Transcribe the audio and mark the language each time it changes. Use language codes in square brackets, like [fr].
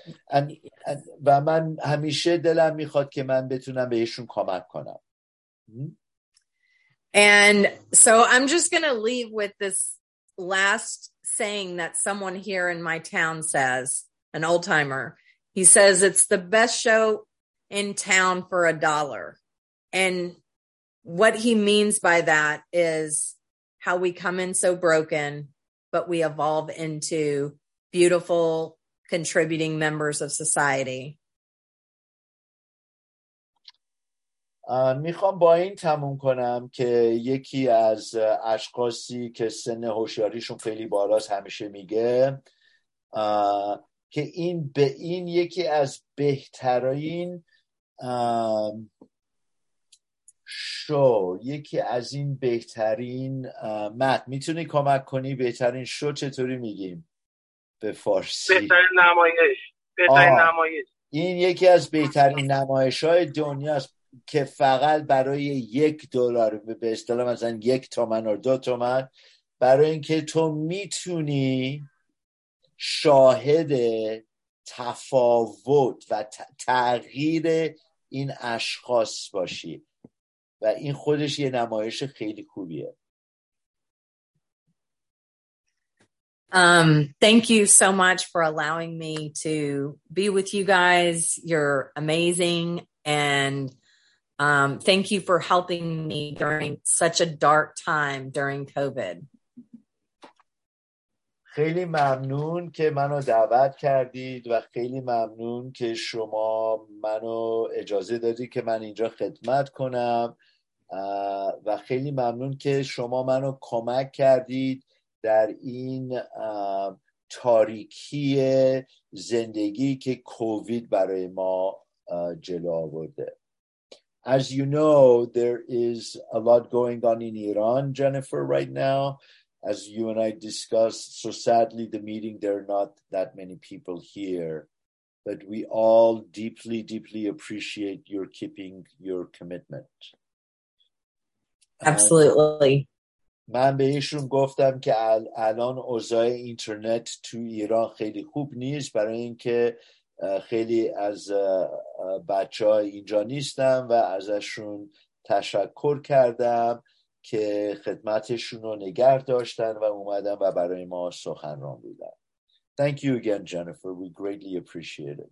[fa] And و من همیشه دلم میخواد که من بتونم بهشون کمک کنم. [en] And so I'm just gonna leave with this last saying that someone here in my town says, an old timer. He says it's the best show in town for a dollar. And what he means by that is how we come in so broken, but we evolve into beautiful contributing members of society. [fa] میخوام با این تموم کنم که یکی از اشخاصی که سن هوشیاریشون خیلی بالاست همیشه میگه که این به این یکی از بهترین شو، یکی از این بهترین مت میتونی کمک کنی؟ بهترین شو چطوری میگیم به فارسی؟ بهترین نمایش. این یکی از بهترین نمایش های دنیا است که فقط برای $1 به اصطلاح مثلا 1 تومن و 2 تومن برای اینکه تو میتونی شاهد تفاوت و تغییر این اشخاص باشی و این خودش یه نمایش خیلی خوبیه. [en] Thank you so much for allowing me to be with you guys. You're amazing and thank you for helping me during such a dark time during COVID. [fa] خیلی ممنون که منو دعوت کردید و خیلی ممنون که شما منو اجازه دادید که من اینجا خدمت کنم و خیلی ممنون که شما منو کمک کردید در این تاریکی زندگی که کووید برای ما جلو آورده. [en] As you know, there is a lot going on in Iran, Jennifer, right now. As you and I discussed, so sadly, the meeting, there are not that many people here, but we all deeply, deeply appreciate your keeping your commitment. Absolutely. [fa] من به ایشون گفتم که الان اوضاع اینترنت تو ایران خیلی خوب نیست برای اینکه خیلی از بچه ها اینجا نیستم و ازشون تشکر کردم که خدمتشون رو نگه داشتن و اومدن و برای ما سخنران بودن. [en] Thank you again, Jennifer. We greatly appreciate it.